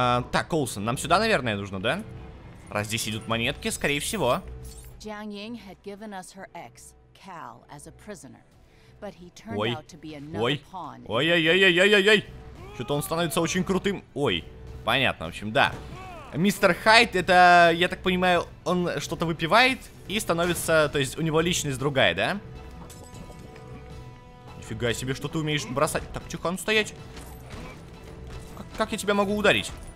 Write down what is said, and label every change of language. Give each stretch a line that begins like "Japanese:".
Russian: Так, Коулсон, нам сюда, наверное, нужно, да? Раз здесь идут монетки, скорее всего.
English: Jiang Ying had given us her ex, Cal, as a prisoner, but he turned out to be another pawn. Ой, ой, ой, ой, ой, ой, ой!
Russian: Что-то он становится очень крутым. Ой, понятно, в общем, да. Мистер Хайд, это, я так понимаю, он что-то выпивает и становится, то есть у него личность другая, да? Нифига себе, что ты умеешь бросать. Так, тихо, он стоять. Как я тебя могу ударить?